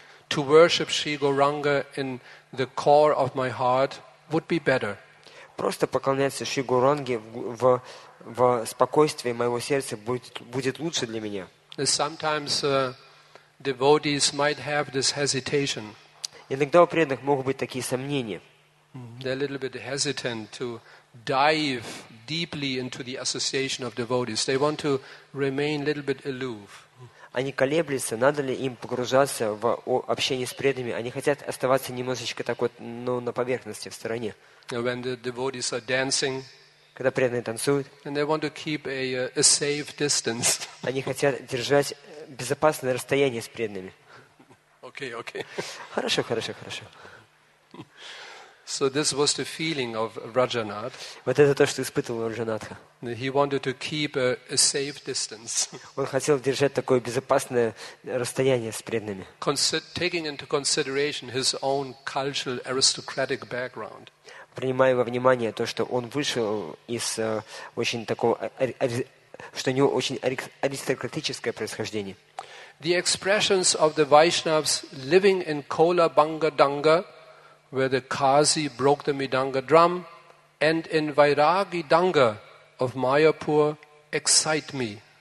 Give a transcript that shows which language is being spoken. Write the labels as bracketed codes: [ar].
[en] To worship Sri Gauranga in the core of my heart would be better. [ru] Просто поклоняться Шри Гауранге в спокойствии моего сердца будет лучше для меня. [en] Sometimes devotees might have this hesitation. [ru] Иногда у преданных могут быть такие сомнения. [en] They're a little bit hesitant to dive deeply into the association of devotees. They want to remain a little bit aloof. [ru] Они колеблются, надо ли им погружаться в общение с преданными. Они хотят оставаться немножечко так вот, ну, на поверхности, в стороне. [en] When the devotees are dancing, [ru] когда преданные танцуют, [en] and they want to keep a safe distance. [ru] Они хотят держать безопасное расстояние с преданными. [en] Okay. [ru] Хорошо. [en] So this was the feeling of Rajanath. [ru] Вот это то, что испытывал Раджанатха. [en] He wanted to keep a safe distance. [ru] Он хотел держать такое безопасное расстояние с преданными. [en] Taking into consideration his own cultural aristocratic background. [ru] Принимая во внимание то, что он вышел из очень такого, что у него очень аристократическое происхождение. [en] The expressions of the Vaishnavas living in Kola Banga Danga, where the Kazi broke the Midanga drum, and in Vairagi Danga of Mayapur excite me.